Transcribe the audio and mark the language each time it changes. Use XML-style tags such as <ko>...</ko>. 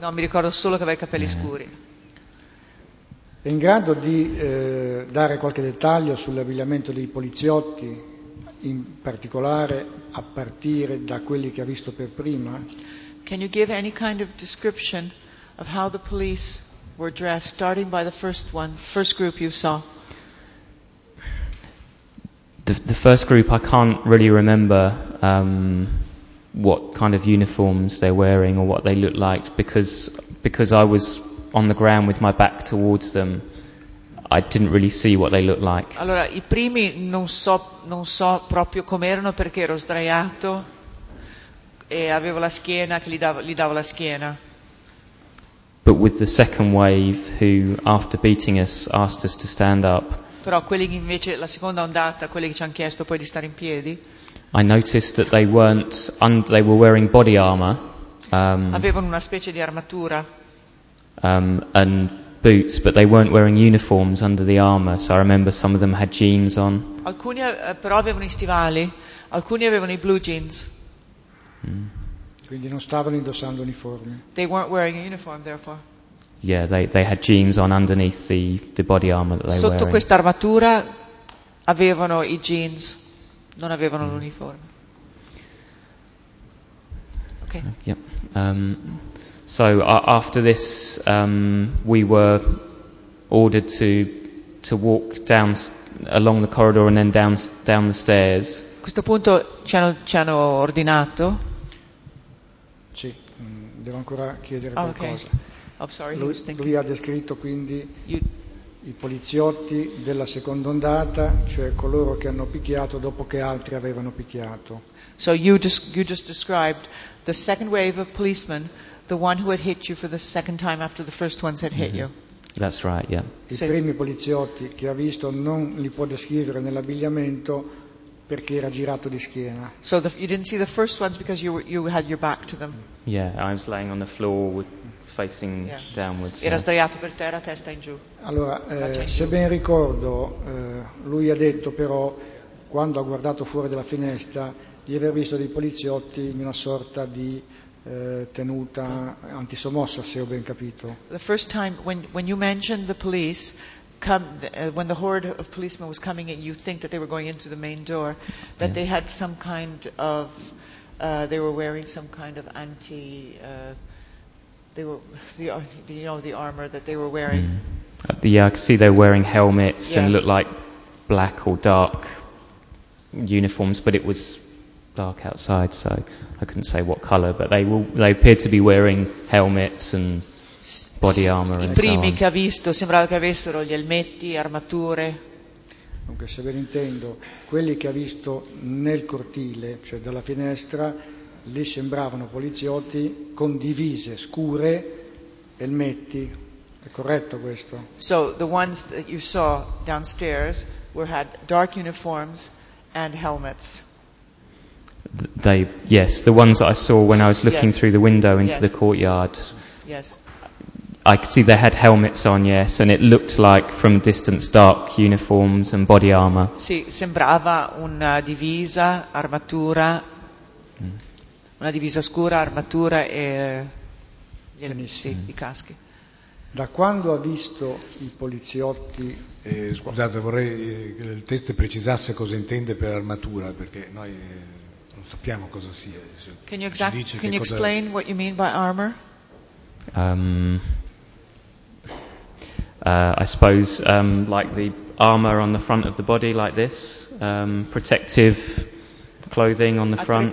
<it>no, mi ricordo solo che aveva i capelli scuri. È in grado di dare qualche dettaglio sull'abbigliamento dei poliziotti, in particolare a partire da quelli che ha visto per prima?</it> <en>Can you give any kind of description of how the police were dressed, starting by the first group you saw? The first group, I can't really remember what kind of uniforms they're wearing or what they looked like, because I was on the ground with my back towards them, I didn't really see what they looked like.</en> <it>Allora, i primi non so proprio com'erano perché ero sdraiato e avevo la schiena che gli davo la schiena.</it> <en>But with the second wave, who after beating us asked us to stand up.</en> <it>Però quelli invece la seconda ondata, quelli che ci hanno chiesto poi di stare in piedi.</it> <en>I noticed that they were wearing body armor.</en> <it>Avevano una specie di armatura.</it> <en>And boots, but they weren't wearing uniforms under the armor. So I remember some of them had jeans on.</en> <it>Alcuni però avevano i stivali, alcuni avevano i blue jeans. Quindi non stavano indossando uniformi.</it> <en>They weren't wearing a uniform, therefore. Yeah, they had jeans on underneath the body armor that they were wearing.</en> <it>Sotto questa armatura avevano i jeans, non avevano l'uniforme.</it> <en>Okay. Yep. So after this, we were ordered to walk down along the corridor and then down the stairs.</en> <it>A questo punto ci hanno ordinato. Sì, devo ancora chiedere qualcosa.</it> <en>Okay. I'm sorry,</en> <it>lui ha descritto quindi i poliziotti della seconda ondata, cioè coloro che hanno picchiato dopo che altri avevano picchiato.</it> <en>So you just described the second wave of policemen, the one who had hit you for the second time after the first ones had hit you. That's right, yeah.</en> <it>I primi poliziotti che ha visto non li può descrivere nell'abbigliamento perché era girato di schiena.</it> <en>So you didn't see the first ones because you had your back to them. Yeah, I was laying on the floor facing downwards.</en> <it>Era sdraiato per terra, testa in giù. Allora, se ben ricordo, lui ha detto però, quando ha guardato fuori dalla finestra, di aver visto dei poliziotti in una sorta di tenuta antisommossa, se ho ben capito.</it> <en>The first time when you mentioned the police, when the horde of policemen was coming in, you think that they were going into the main door, that they had some kind of, they were wearing some kind of anti, they were, the, you know, the armor that they were wearing. Yeah, I could see they were wearing helmets and looked like black or dark uniforms, but it was dark outside, so I couldn't say what color, but they appeared to be wearing helmets and body armor</en> <it>I primi</it> <en>so</en> <it>che ha visto sembrava che avessero gli elmetti, armature. Dunque, se ben intendo, quelli che ha visto nel cortile, cioè dalla finestra, lì sembravano poliziotti con divise scure, elmetti. È corretto questo?</it> <en>So the ones that you saw downstairs were had dark uniforms and helmets. Yes, the ones that I saw when I was looking through the window into the courtyard. Yes. I could see they had helmets on, yes, and it looked like from distance dark uniforms and body armor.</en> <it>Sì, sembrava una divisa, armatura, una divisa scura, armatura e i caschi. Da quando ha visto i poliziotti? Scusate, vorrei che il test precisasse cosa intende per armatura, perché noi non sappiamo cosa sia.</it> <en>Can you explain what you mean by armor? I suppose like the armor on the front of the body, like this, protective clothing on the front.</en>